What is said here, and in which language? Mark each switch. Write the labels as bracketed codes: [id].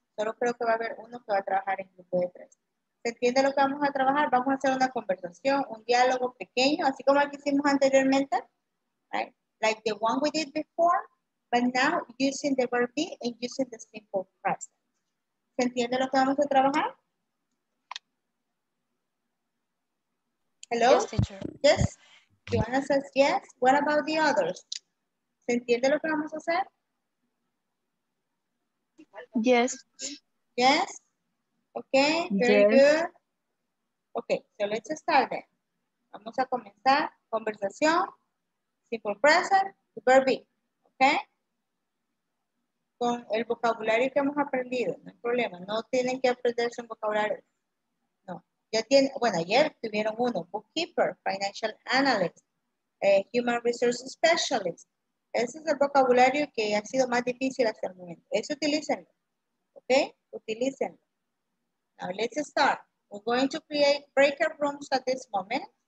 [es] Solo creo que va a haber uno que va a trabajar en grupo de tres. ¿Entiende lo que vamos a trabajar? Vamos a hacer una conversación, un diálogo pequeño, así como el que hicimos anteriormente, right? [en] Like the one we did before, but now using the verb be and using the simple present. [es] ¿Se entiende lo que vamos a trabajar? [en] Hello? Yes, teacher. Yes? Joanna says yes. What about the others? [es] ¿Se entiende lo que vamos a hacer? [en] Yes. Yes? Okay, very yes. Good. Okay, so let's start then. [es] Vamos a comenzar. Conversación. [en] Simple present. Verb be. Okay? [es] Con el vocabulario que hemos aprendido. No hay problema. No tienen que aprender su vocabulario. No. Ya tienen, bueno, ayer tuvieron uno. Bookkeeper. Financial analyst. [en] Human resource specialist. [es] Ese es el vocabulario que ha sido más difícil hasta el momento. Eso utilícenlo. Okay? Utilícenlo. [en] Now let's start. We're going to create breakout rooms at this moment.